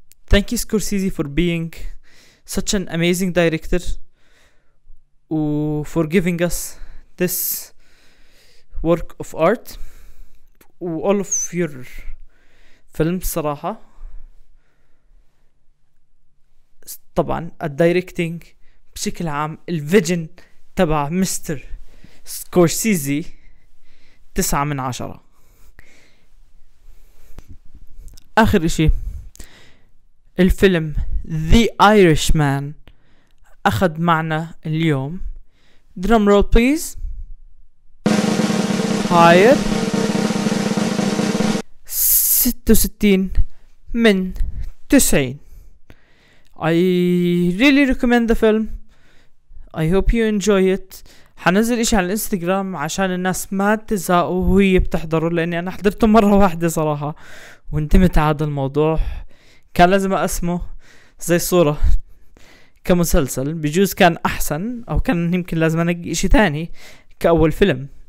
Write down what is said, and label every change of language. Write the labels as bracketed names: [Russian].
[English] Thank you Scorsese for being such an amazing director for giving us this work of art all of your films صراحة. [Arabic] طبعا الدايركتينج بشكل عام، الفيجن تبع مستر سكورسيزي 9/10. آخر إشي، الفيلم The Irishman أخذ معنا اليوم [English] drum roll please هاير [Arabic] 66/90. [English] I really recommend the film. I hope you enjoy it. [Arabic] حنزل اشي على الانستغرام عشان الناس ما تزاقوا وهي بتحضروا، لاني انا حضرته مرة واحدة صراحة وانتمت على هذا الموضوع. كان لازم اقسمه زي صورة كمسلسل، بجوز كان احسن، او كان يمكن لازم انقي اشي تاني كاول فيلم.